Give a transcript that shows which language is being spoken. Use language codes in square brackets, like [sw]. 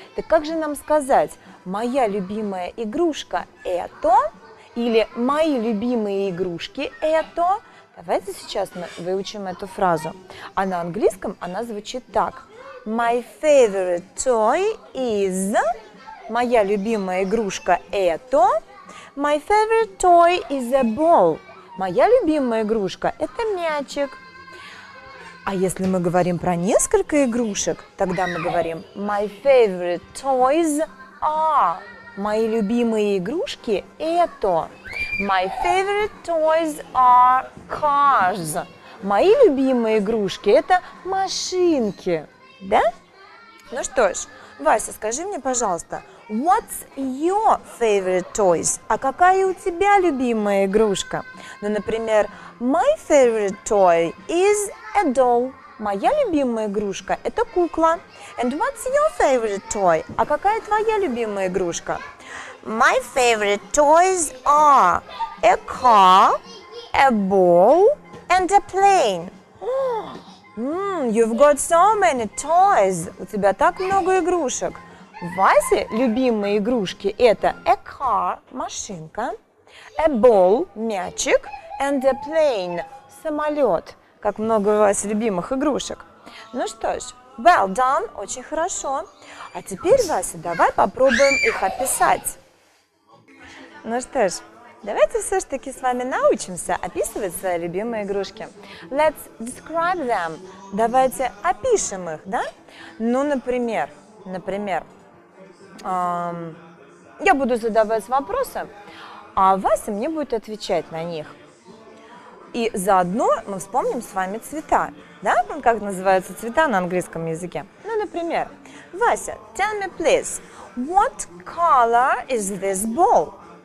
[ru] Так как же нам сказать, моя любимая игрушка – это? Или мои любимые игрушки – это? Давайте сейчас мы выучим эту фразу. А на английском она звучит так. [en] My favorite toy is... [ru] Моя любимая игрушка это... [en] My favorite toy is a ball. [ru] Моя любимая игрушка это мячик. А если мы говорим про несколько игрушек, тогда мы говорим [en] My favorite toys are... [ru] Мои любимые игрушки это... [en] My favorite toys are cars. [ru] Мои любимые игрушки – это машинки. Да? Ну что ж, Вася, скажи мне, пожалуйста, [en] what's your favorite toys? [ru] А какая у тебя любимая игрушка? Ну, например, [en] my favorite toy is a doll. [ru] Моя любимая игрушка – это кукла. [en] And what's your favorite toy? [ru] А какая твоя любимая игрушка? [en] My favorite toys are a car, a ball, and a plane. You've got so many toys. [ru] У тебя так много игрушек. Вася, любимые игрушки – это [en] a car [ru] – машинка, [en] a ball [ru] – мячик, [en] and a plane [ru] – самолет. Как много у вас любимых игрушек. Ну что ж, [en] well done, [ru] очень хорошо. А теперь, Вася, давай попробуем их описать. Ну что ж, давайте все-таки с вами научимся описывать свои любимые игрушки. [en] Let's describe them. [ru] Давайте опишем их, да? Ну, например, я буду задавать вопросы, а Вася мне будет отвечать на них. И заодно мы вспомним с вами цвета, да? Как называются цвета на английском языке. Ну, например, [en] Вася, tell me, please, what color is this ball?